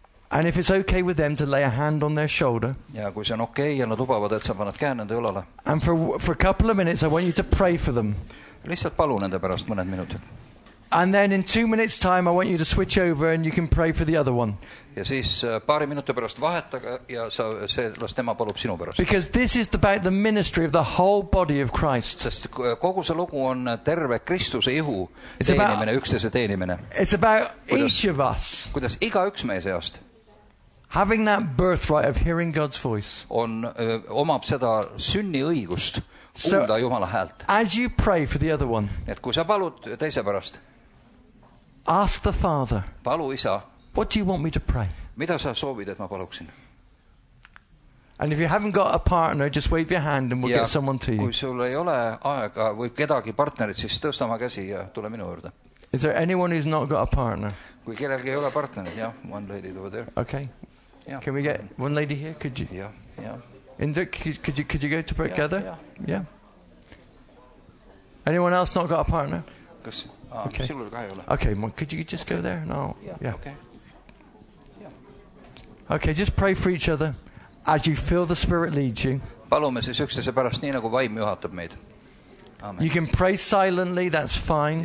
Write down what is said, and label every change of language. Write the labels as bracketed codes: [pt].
[en] And if it's okay with them to lay a hand on their shoulder. And for a couple of minutes I want you to pray for them. [et] Lihtsalt palun nende pärast mõned minutid. [en] And then in 2 minutes time I want you to switch over and you can pray for the other one. [et] Ja siis paari minuti pärast vahetage ja sa see las tema palub sinu pärast. [en] Because this is about the ministry of the whole body of Christ. [et] Sest kogu see lugu on terve Kristuse ihu teenimine, üksteise teenimine. [en] It's about each of us. [et] Kuidas iga üks meie seast. [en] Having that birthright of hearing God's voice. [et] On omab seda sünni õigust kuulda Jumala häält. [en] As you pray for the other one. [et] Et kui sa palud teise pärast. [en] Ask the Father. [et] Palu isa. [en] What do you want me to pray? [et] Mida sa soovid, et ma paluksin? [en] And if you haven't got a partner, just wave your hand and we'll [et] ja [en] get someone to you. [et] Kui sul ei ole aega või kedagi partnerit, siis tõsta ma käsi ja tule minu juurde. [en] Is there anyone who's not got a partner? [et] Kui kellelgi ei ole partnerit, ja, [en] one lady over there. Okay. Yeah. Can we get one lady here? Could you? Yeah. In the, could you go to pray together? Yeah. Anyone else not got a partner? Cuz Okay. Okay, could you just go there? No. Yeah. Okay. Yeah. Okay, just pray for each other as you feel the Spirit leads you. [et] Palume siis üksteise pärast nii nagu vaim juhatab meid. [en] Amen. You can pray silently, that's fine.